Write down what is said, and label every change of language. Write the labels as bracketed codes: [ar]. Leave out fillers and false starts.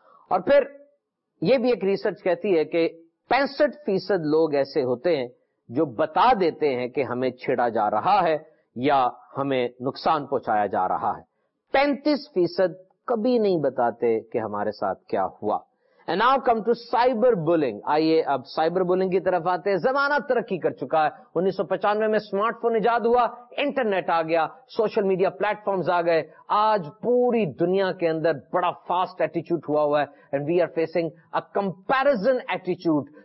[ur] اور پھر یہ بھی ایک ریسرچ کہتی ہے کہ 65% لوگ ایسے ہوتے ہیں جو بتا دیتے ہیں کہ ہمیں چھیڑا جا رہا ہے یا ہمیں نقصان پہنچایا جا رہا ہے, 35% کبھی نہیں بتاتے کہ ہمارے ساتھ کیا ہوا. [en] And now come to cyber bullying. [ur] آئیے اب cyber bullying کی طرف آتے ہیں. زمانہ ترقی کر چکا ہے, 1995 میں اسمارٹ فون ایجاد ہوا, انٹرنیٹ آ گیا, سوشل میڈیا پلیٹ فارمز آ گئے. آج پوری دنیا کے اندر بڑا فاسٹ ایٹیچیوڈ ہوا ہوا ہے, [en] And we are facing a comparison ایٹیچیوڈ.